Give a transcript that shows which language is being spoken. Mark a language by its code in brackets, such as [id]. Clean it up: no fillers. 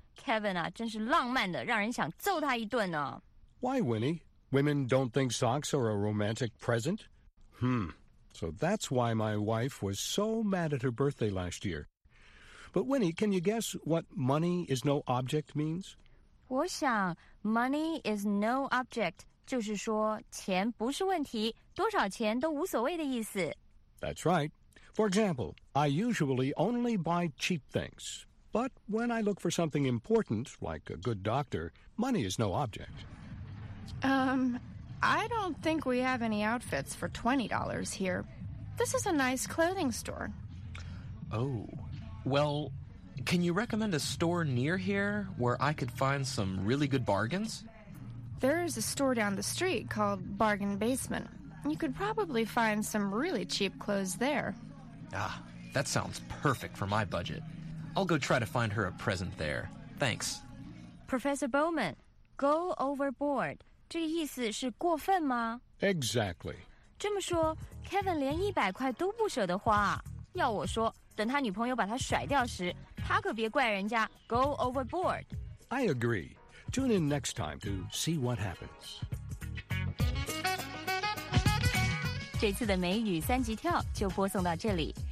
[zh] Kevin 啊，真是浪漫的，让人想揍他一顿呢。 [en] Why, Winnie? Women don't think socks are a romantic present? So that's why my wife was so mad at her birthday last year. But Winnie, can you guess what money is no object means? [zh] 我想 [en] money is no object. [zh] 就是说钱不是问题，多少钱都无所谓的意思。 [en] That's right. For example, I usually only buy cheap things. But when I look for something important, like a good doctor, money is no object. I don't think we have any outfits for $20 here. This is a nice clothing store. Oh, well, can you recommend a store near here where I could find some really good bargains? There is a store down the street called Bargain Basement. You could probably find some really cheap clothes there. Ah, that sounds perfect for my budget. I'll go try to find her a present there. Thanks. Professor Bowman, go overboard. [zh] 这个意思是过分吗？ [en] Exactly. [zh] 这么说 ,Kevin 连100块都不舍得花。要我说等他女朋友把他甩掉时他可别怪人家 go overboard. [en] I agree. Tune in next time to see what happens. [zh] 这次的美语三级跳就播送到这里。